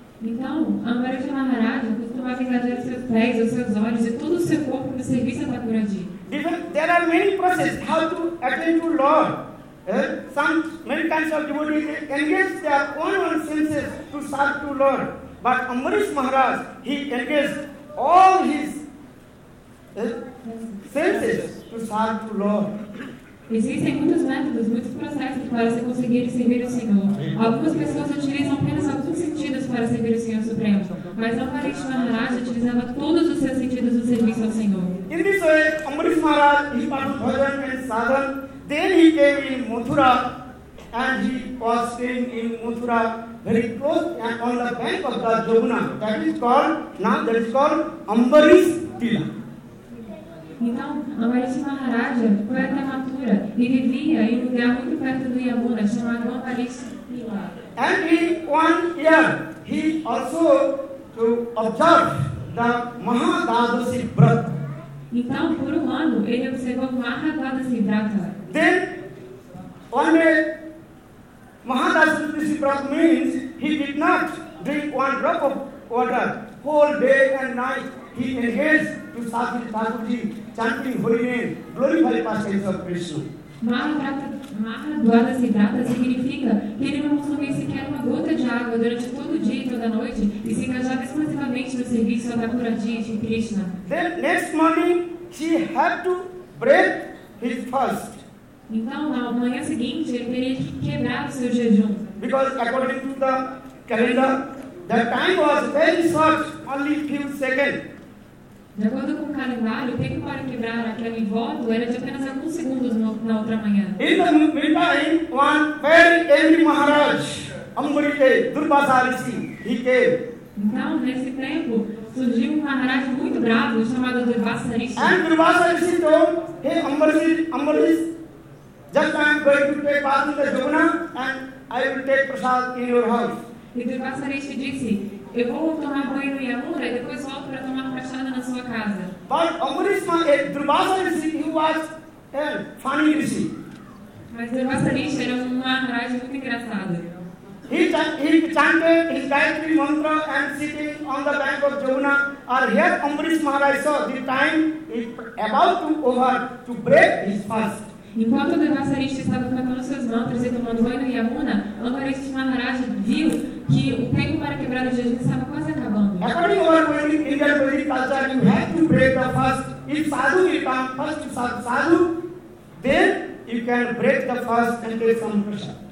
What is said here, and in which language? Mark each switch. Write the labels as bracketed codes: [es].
[pt] Então, Amparis Maharaj costumava engajar seus pés, os seus olhos e todo o seu corpo no serviço a Thakurji. [en] There are many processes how to attend to Lord. Many kinds of devotees engage their own senses to serve to Lord. But Amparis Maharaj, he engaged all his senses to serve to Lord. [pt] Existem muitos métodos, muitos processos para se conseguir servir o Senhor. Algumas pessoas utilizam apenas alguns sentidos para servir o Senhor Supremo, mas Amparis Maharaj utilizava todos os seus sentidos no serviço ao Senhor. [en] In this way, Amparis Maharaj, he performed bhajan and sadhan. Then he came in Mathura, and he was staying in Mathura, very close and on the bank of the Yamuna. That is called Amparis Tila. [pt] Então, Amparis Maharaj foi até Mathura e vivia em um lugar muito perto do Yamuna, chamado Amparis Tila. [en] And in one year, he also to observe the Mahadvadasi Vrata. [pt] Então, por um ano, ele observou Mahadvadasi Vrata. [en] Then, one day, Mahadvadasi Vrata means he did not drink one drop of water whole day and night. He engaged to serve his Thakurji, chanting Hari name, glorify pastimes of Krishna. [pt] Mahadvadasi Vrata significa que ele não consumia sequer uma gota de água durante todo o dia e toda a noite e se engajava exclusivamente no serviço da Thakurji de Krishna. [en] Then next morning, he had to break his fast. [pt] Então, na manhã seguinte, ele teria que quebrar o seu jejum. [en] Because according to the calendar, the time was very short, only few seconds. [pt] De acordo com o calendário, o tempo para quebrar aquele voto era de apenas alguns segundos na outra manhã. [en] In the meantime, one very angry Maharaj, Amparis Durvasa Rishi, he came. [pt] Então, nesse tempo, surgiu um Maharaj muito bravo chamado Durvasa Rishi. [en] And Durvasa Rishi told, hey Ambarish, Ambarish, just I am going to take bath in the Jamuna and I will take prasad in your house. [pt] E Durvasa Rishi disse, eu vou tomar banho no Yamuna e depois volto para tomar prasad na sua casa. [en] But Ambarish, Durvasa Rishi, he was a funny Rishi. [pt] Mas Durvasa Rishi era um Maharaj muito engraçado. [en] He chanted his Gayatri mantra and sitting on the bank of Jamuna. And here Ambarish Maharaj saw the time is about to over to break his fast. [pt] Enquanto Durvasa Rishi estava cantando seus mantras e tomando banho no Yamuna, Ambarish Maharaj viu que o tempo para quebrar o jejum estava quase acabando. [en] According to our Vedic Indian Vedic culture, you have to break the fast. If sadhu will come first to sadhu, then you can break the fast and get some prasad.